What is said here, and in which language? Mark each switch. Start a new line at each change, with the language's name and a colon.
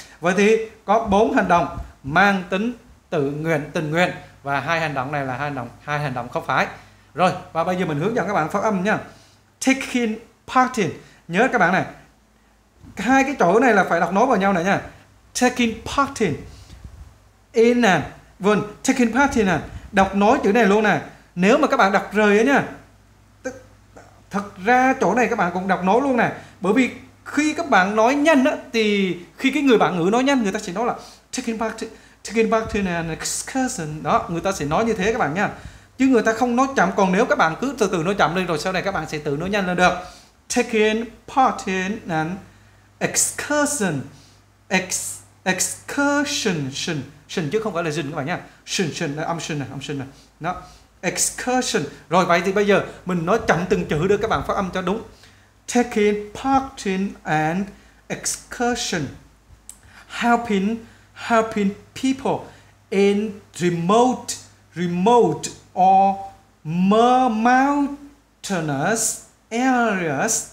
Vietnamese: Vậy thì có 4 hành động mang tính tự nguyện tình nguyện và 2 hành động này là hai hành động không phải. Rồi, và bây giờ mình hướng dẫn các bạn phát âm nha.
English: Taking part in.
Vietnamese: Nhớ các bạn này. Hai cái chỗ này là phải đọc nối vào nhau này nha.
English: Taking part in. In and vâng, taking part in này.
Vietnamese: Đọc nối chữ này luôn nè. Nếu mà các bạn đọc rời á nha. Thật ra chỗ này các bạn cũng đọc nối luôn nè. Bởi vì khi các bạn nói nhanh á thì khi cái người bạn ngữ nói nhanh người ta sẽ nói là
English: taking part in an excursion.
Vietnamese: Đó, người ta sẽ nói như thế các bạn nha. Chứ người ta không nói chậm, còn nếu các bạn cứ từ từ nói chậm lên rồi sau này các bạn sẽ tự nói nhanh lên được.
English: Taking part in an excursion.
Vietnamese: Excursion chứ không phải là dừng các bạn nha. Âm sinh này. Excursion. Rồi vậy thì bây giờ mình nói chậm từng chữ để các bạn phát âm cho đúng.
English: Taking part in an excursion. Helping people in remote or mountainous areas.